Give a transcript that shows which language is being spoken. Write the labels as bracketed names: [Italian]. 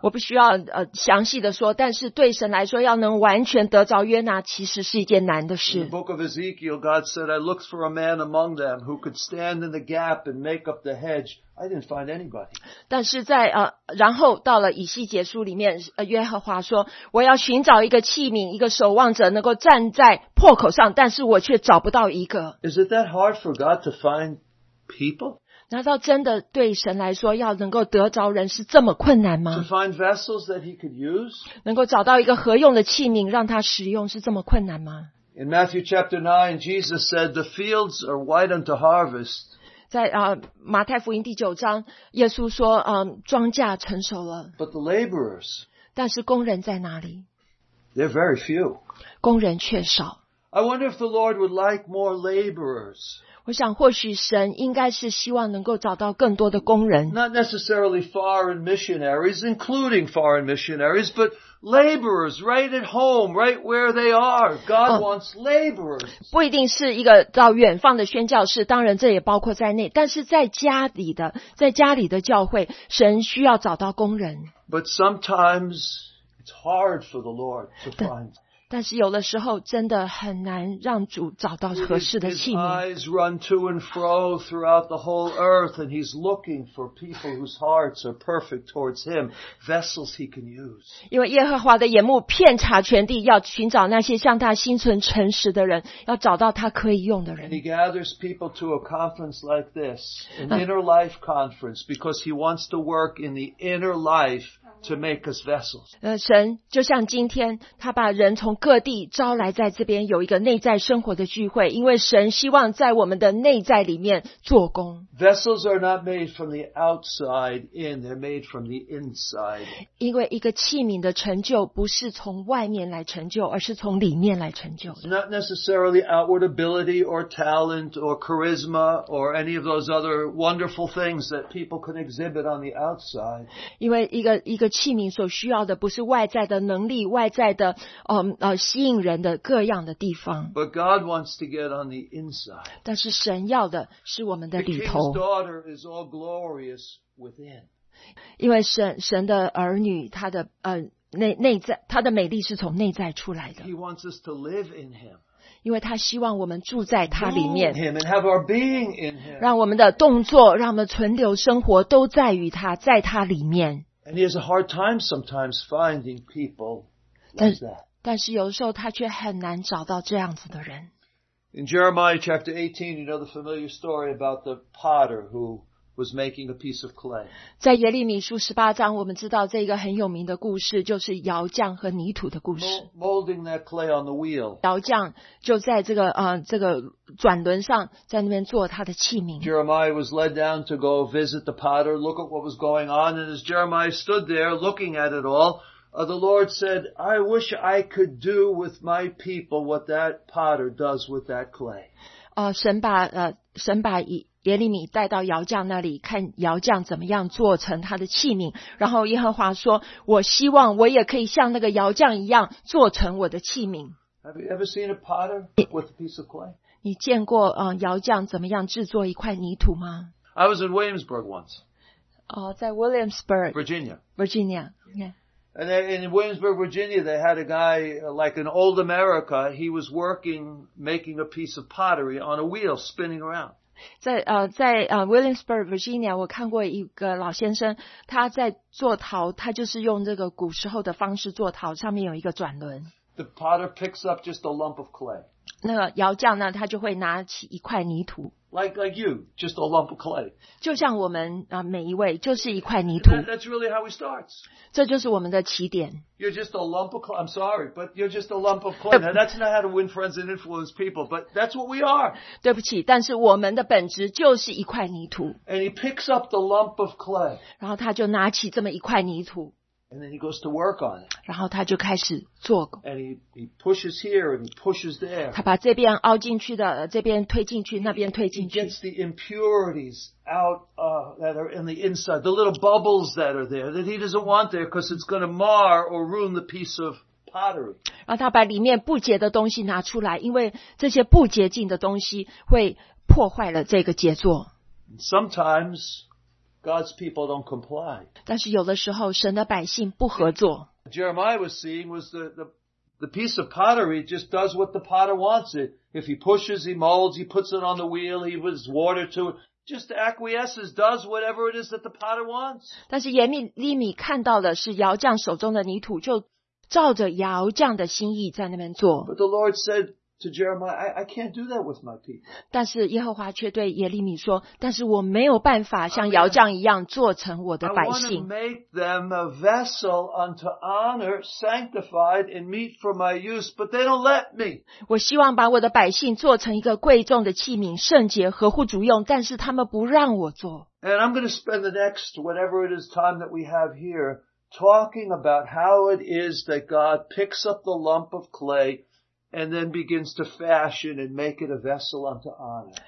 [Chinese] 我不需要详细的说，但是对神来说，要能完全得着约拿，其实是一件难的事。 [English] In the book of Ezekiel, God said, "I looked for a man among them who could stand in the gap and make up the hedge." I didn't find anybody. [Chinese] 但是在然后到了以西结书里面，约和华说，我要寻找一个器皿，一个守望者，能够站在破口上，但是我却找不到一个。 [English] Is it that hard for God to find people? [Chinese] 难道真的对神来说要能够得着人是这么困难吗？ [English] To find vessels that he could use? [Chinese] 能够找到一个合用的器皿让他使用是这么困难吗？ [English] In Matthew chapter 9, Jesus said, the fields are white unto harvest. [Chinese] 在马太福音第九章，耶稣说庄稼成熟了。 [English] But the laborers? [Chinese] 但是工人在哪里？ [English] They're very few. [Chinese] 工人却少。 [English] I wonder if the Lord would like more laborers. [Chinese] 我想或许神应该是希望能够找到更多的工人。 [English] Not necessarily foreign missionaries, including foreign missionaries, but laborers right at home, right where they are. God wants laborers. [Chinese] 不一定是一个到远方的宣教士，当然这也包括在内，但是在家里的教会，神需要找到工人。 [English] But sometimes it's hard for the Lord to find. [Chinese] 但是有的时候真的很难让主找到合适的器皿。 [English] His eyes run to and fro throughout the whole earth, and he's looking for people whose hearts are perfect towards him, vessels he can use. [Chinese] 因为耶和华的眼目遍察全地，要寻找那些向他心存诚实的人，要找到他可以用的人。 [English] And he gathers people to a conference like this, an inner life conference, because he wants to work in the inner life to make us vessels. [Chinese] 神就像今天他把人从各地招来在这边有一个内在生活的聚会，因为神希望在我们的内在里面做工。 [English] Vessels are not made from the outside in, they're made from the inside. [Chinese] 因为一个器皿的成就不是从外面来成就，而是从里面来成就。 [English] It's not necessarily outward ability or talent or charisma or any of those other wonderful things that people can exhibit on the outside. [Chinese] 因为一个器皿所需要的不是外在的能力，外在的吸引人的各样的地方。 [English] But God wants to get on the inside. [Chinese] 但是神要的是我们的里头。 [English] The king's daughter is all glorious within. [Chinese] 因为神的儿女，他的内在，他的美丽是从内在出来的。 [English] He wants us to live in him. [Chinese] 因为他希望我们住在他里面。 [English] Move in him and have our being in him. [Chinese] 让我们的动作，让我们存留生活都在于他，在他里面。 [English] And he has a hard time sometimes finding people like that. [Chinese] 但是有时候他却很难找到这样子的人。 [English] In Jeremiah chapter 18, you know the familiar story about the potter who was making a piece of clay. [Chinese] 在耶利米书十八章，我们知道这个很有名的故事，就是窑匠和泥土的故事。 [English] Molding that clay on the wheel. [Chinese] 窑匠就在这个转轮上，在那边做他的器皿。 [English] Jeremiah was led down to go visit the potter, look at what was going on, and as Jeremiah stood there looking at it all, the Lord said, "I wish I could do with my people what that potter does with that clay." [Chinese] 耶利米带到窑匠那里，看窑匠怎么样做成他的器皿。然后耶和华说，我希望我也可以像那个窑匠一样做成我的器皿。 [English] Have you ever seen a potter with a piece of clay? [Chinese] 你见过窑匠怎么样制作一块泥土吗？ [English] I was in Williamsburg once. [Chinese] 在 Williamsburg. [English] Virginia. Virginia. Yeah. And in Williamsburg, Virginia, they had a guy like an old America. He was working, making a piece of pottery on a wheel spinning around. [Chinese] 在 Williamsburg, Virginia, 我看过一个老先生，他在做陶，他就是用这个古时候的方式做陶，上面有一个转轮。 [English] The potter picks up just a lump of clay. [Chinese] 那个窑匠呢，他就会拿起一块泥土。 [English] Like you, just a lump of clay. [Chinese] 就像我们每一位就是一块泥土。 [English] That's really how it starts. [Chinese] 这就是我们的起点。 [English] You're just a lump of clay. I'm sorry, but you're just a lump of clay. Now, that's not how to win friends and influence people, but that's what we are. [Chinese] 对不起，但是我们的本质就是一块泥土。 [English] And he picks up the lump of clay. [Chinese] 然后他就拿起这么一块泥土。 [English] And then he goes to work on it. [Chinese] 然后他就开始做。 [English] And he pushes here and he pushes there. [Chinese] 他把这边凹进去的，这边推进去，那边推进去。 [English] He gets the impurities out, that are in the inside, the little bubbles that are there that he doesn't want there because it's going to mar or ruin the piece of pottery. [Chinese] 然后他把里面不洁的东西拿出来，因为这些不洁净的东西会破坏了这个杰作。 [English] Sometimes. God's people don't comply. [Chinese] 但是有的时候神的百姓不合作。 [English] Jeremiah was seeing was the piece of pottery just does what the potter wants it. If he pushes, he molds, he puts it on the wheel, he puts water to it. Just acquiesces, does whatever it is that the potter wants. [Chinese] 但是耶利米看到的是窑匠手中的泥土就照着窑匠的心意在那边做。 [English] But the Lord said,To Jeremiah, I can't do that with my people. [Chinese] 但是耶和华却对耶利米说，但是我没有办法像窑匠一样做成我的百姓。 [English] I want to make them a vessel unto honor, sanctified and meet for my use, but they don't let me. [Chinese] 我希望把我的百姓做成一个贵重的器皿，圣洁，合乎主用，但是他们不让我做。 [English] And I'm going to spend the next, whatever it is time that we have here, talking about how it is that God picks up the lump of clay,And then begins to fashion and make it a vessel unto honor.